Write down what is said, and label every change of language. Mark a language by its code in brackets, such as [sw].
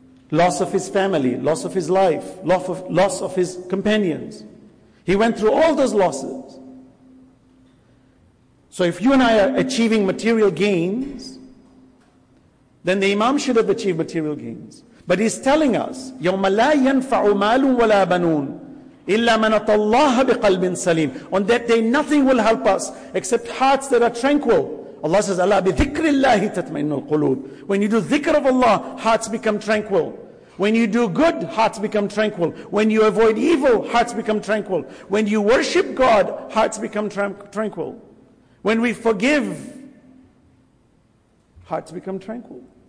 [en] Loss of his family, loss of his life, loss of his companions. He went through all those losses. So if you and I are achieving material gains, then the Imam should have achieved material gains. But he's telling us, [ar] يَوْمَ لَا يَنْفَعُ مَالٌ وَلَا بَنُونَ إِلَّا مَنَطَ اللَّهَ بِقَلْبٍ سَلِيمٍ. [en] On that day, nothing will help us except hearts that are tranquil. Allah says, [ar] أَلَا بِذِكْرِ اللَّهِ تَتْمَئِنُ الْقُلُوبِ. [en] When you do dhikr of Allah, hearts become tranquil. When you do good, hearts become tranquil. When you avoid evil, hearts become tranquil. When you worship God, hearts become tranquil. When we forgive, hearts become tranquil.